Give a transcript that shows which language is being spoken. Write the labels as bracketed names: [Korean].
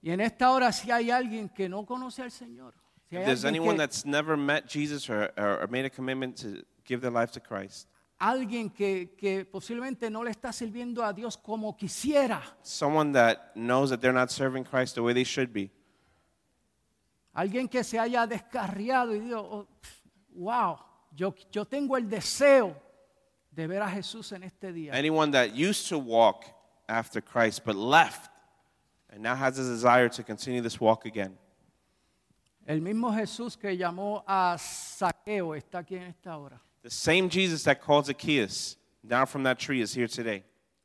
[Spanish] Y en esta hora, si hay alguien que no conoce al Señor, si [English] if there's anyone that's never met Jesus or made a commitment to give their life to Christ, [Spanish] alguien que posiblemente no le está sirviendo a Dios como quisiera, [English] someone that knows that they're not serving Christ the way they should be, [Spanish] alguien que se haya descarriado y dijo, oh, wow, yo tengo el deseo de ver a Jesús en este día. [English] Anyone that used to walk after Christ but left and now has a desire to continue this walk again. [Spanish] El mismo Jesús que llamó a Zaqueo está aquí en esta hora. [English] The same Jesus that called Zacchaeus down from that tree is here today.